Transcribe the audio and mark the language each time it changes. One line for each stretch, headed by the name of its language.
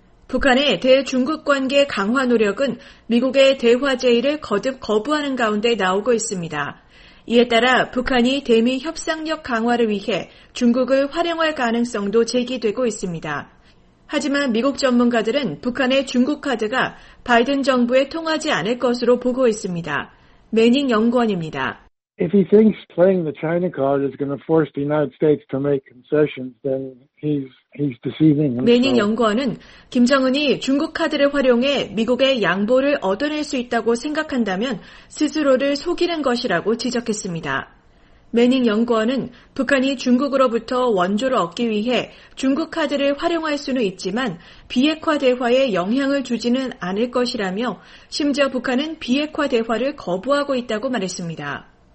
Korean: 북한의 대중국 관계 강화 노력은 미국의 대화 제의를 거듭 거부하는 가운데 나오고 있습니다. 이에 따라 북한이 대미 협상력 강화를 위해 중국을 활용할 가능성도 제기되고 있습니다. 하지만 미국 전문가들은 북한의 중국 카드가 바이든 정부에 통하지 않을 것으로 보고 있습니다. 매닝 연구원입니다.
English: If he thinks playing the China card is going to force the United States to make concessions, then he's deceiving himself.
Korean: 매닝 연구원은 김정은이 중국 카드를 활용해 미국의 양보를 얻어낼 수 있다고 생각한다면 스스로를 속이는 것이라고 지적했습니다. 매닝 연구원은 북한이 중국으로부터 원조를 얻기 위해 중국 카드를 활용할 수는 있지만 비핵화 대화에 영향을 주지는 않을 것이라며 심지어 북한은 비핵화 대화를 거부하고 있다고 말했습니다.